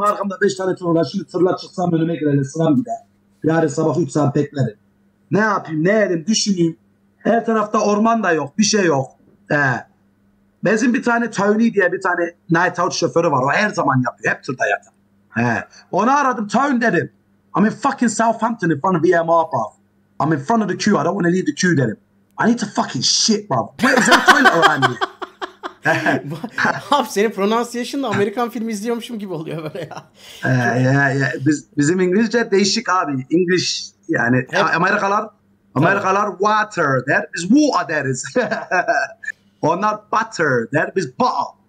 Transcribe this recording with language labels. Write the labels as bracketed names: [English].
[Turkish] Arkamda 5 tane tır var. Şimdi tırla çıksam önüme girelim. Sıram bir de. Yarın sabah 3 saat beklerim. Ne yapayım? Ne edeyim? Düşüneyim. Her tarafta orman da yok. Bir şey yok. Bizim bir tane Tony diye bir tane night out şoförü var. O her zaman yapıyor. Hep tırda yatıyor. Onu aradım. Tony dedim. [English] I'm in fucking Southampton in front of VMR, bro. I'm in front of the queue. I don't want to leave the queue, [Turkish] dedim. [English] I need to fucking shit, bro. Where is that toilet around me? [Turkish] Abi senin pronunciation da Amerikan filmi izliyormuşum gibi oluyor böyle ya. Bizim İngilizce değişik abi. English yani Amerikalar water der. Biz water deriz. Onlar butter der. Biz ball.